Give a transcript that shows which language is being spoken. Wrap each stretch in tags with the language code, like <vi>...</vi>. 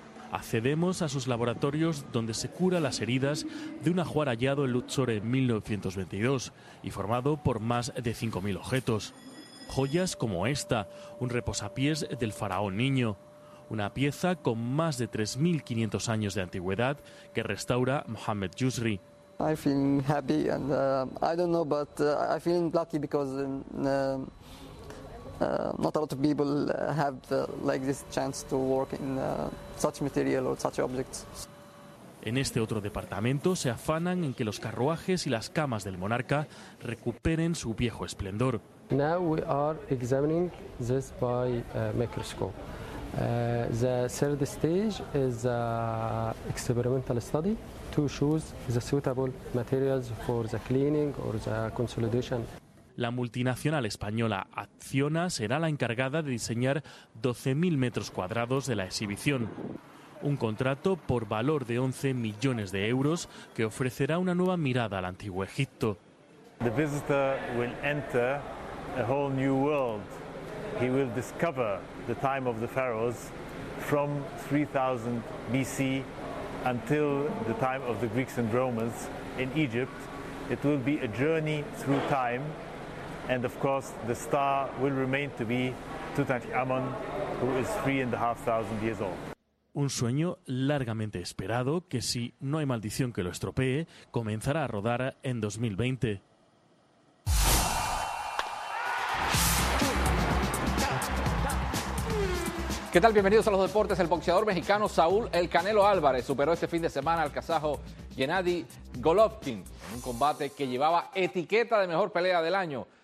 <es>accedemos a sus laboratorios donde se cura las heridas de un ajuar hallado en Luxor en 1922 y formado por más de 5.000 objetos. Joyas como esta, un reposapiés del faraón Niño. Una pieza con más de 3.500 años de antigüedad que restaura Mohamed Yusri.</es> <en>I feel happy and I don't know, but I feel lucky because not a lot of people have like this chance to work in such material or such objects.</en> <es>En este otro departamento se afanan en que los carruajes y las camas del monarca recuperen su viejo esplendor.</es> <en>Now we are examining this by microscope. The third stage is an experimental study to choose the suitable materials for the cleaning or the consolidation.</en> <es>La multinacional española Acciona será la encargada de diseñar 12.000 metros cuadrados de la exhibición. Un contrato por valor de 11 millones de euros que ofrecerá una nueva mirada al antiguo Egipto.</es> <en>The visitor will enter a whole new world. He will discover the time of the pharaohs from 3000 BC until the time of the Greeks and Romans in Egypt. It will be a journey through time, and of course the star will remain to be Tutankhamun, who is 3,500 years old.</en> <es>Un sueño largamente esperado que, si no hay maldición que lo estropee, comenzará a rodar en 2020. ¿Qué tal? Bienvenidos a los deportes. El boxeador mexicano Saúl El Canelo Álvarez superó este fin de semana al kazajo Gennady Golovkin en un combate que llevaba etiqueta de mejor pelea del año.</es>